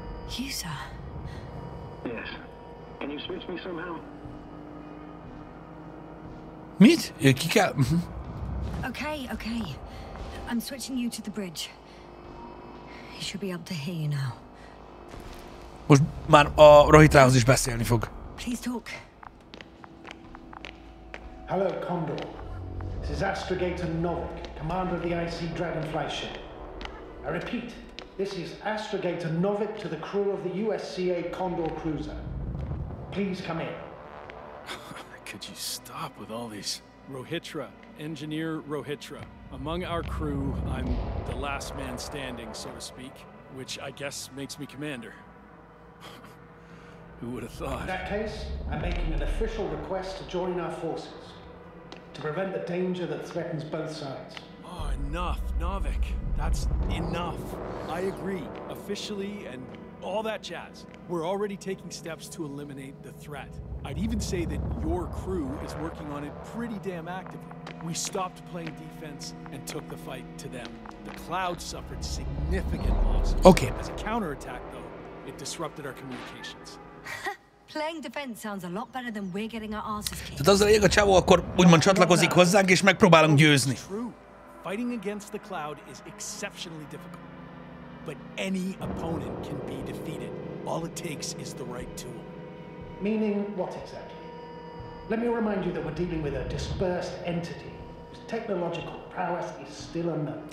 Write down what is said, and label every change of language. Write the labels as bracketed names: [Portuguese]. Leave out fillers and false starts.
[English] You, sir? Yes. Can you switch me somehow? [Hungarian] Mit? Kika? [English] Okay. I'm switching you to the bridge. He should be able to hear you now. [Hungarian] Most már a Rahitrához is beszélni fog. [English] Please talk. Hello, Condor. This is Astrogator Novik, commander of the IC Dragonfly ship. I repeat, this is Astrogator Novik to the crew of the USCA Condor cruiser. Please come in. Could you stop with all these? Rohitra, Engineer Rohitra. Among our crew, I'm the last man standing, so to speak, which I guess makes me commander. Who would have thought? In that case, I'm making an official request to join our forces to prevent the danger that threatens both sides. Oh, enough, Novik. That's enough. I agree, officially and all that jazz. We're already taking steps to eliminate the threat. I'd even say that your crew is working on it pretty damn actively. We stopped playing defense and took the fight to them. The Cloud suffered significant losses. Okay. As a counterattack, though, it disrupted our communications. Playing defense sounds a lot better than we're getting our asses kicked. [Hungarian] Tehát azzal ég a csávó, akkor úgymond csatlakozik hozzánk, és megpróbálunk győzni. [English] True. Fighting against the Cloud is exceptionally difficult. But any opponent can be defeated. All it takes is the right tool. Meaning what exactly? Let me remind you that we're dealing with a dispersed entity whose technological prowess is still unknown.